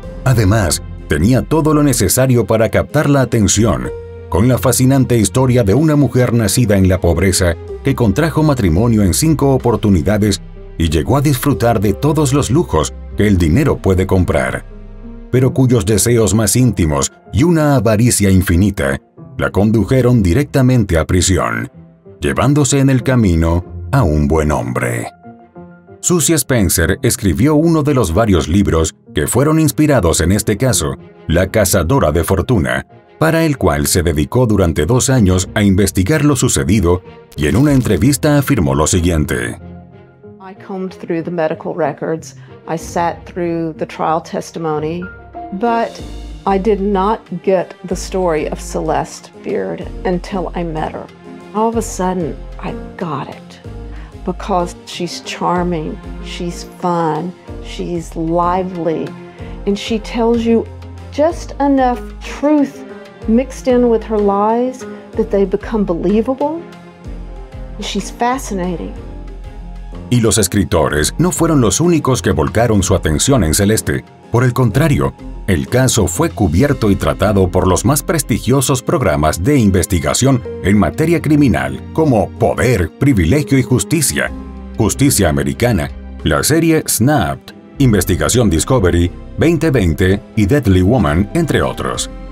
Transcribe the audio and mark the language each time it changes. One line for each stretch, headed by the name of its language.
Spanish: Además, tenía todo lo necesario para captar la atención, con la fascinante historia de una mujer nacida en la pobreza que contrajo matrimonio en 5 oportunidades y llegó a disfrutar de todos los lujos que el dinero puede comprar, pero cuyos deseos más íntimos y una avaricia infinita la condujeron directamente a prisión, llevándose en el camino a un buen hombre. Susie Spencer escribió uno de los varios libros que fueron inspirados en este caso, La Cazadora de Fortuna, para el cual se dedicó durante 2 años a investigar lo sucedido y en una entrevista afirmó lo siguiente.
English: I combed through the medical records, I sat through the trial testimony, but I did not get the story of Celeste Beard until I met her. All of a sudden, I got it. Because she's charming, she's fun, she's lively, and she tells you just enough truth mixed in with her lies that they become believable. She's fascinating.
Spanish: Y los escritores no fueron los únicos que volcaron su atención en Celeste. Por el contrario, el caso fue cubierto y tratado por los más prestigiosos programas de investigación en materia criminal como Poder, Privilegio y Justicia, Justicia Americana, la serie Snapped, Investigación Discovery, 2020 y Deadly Woman, entre otros.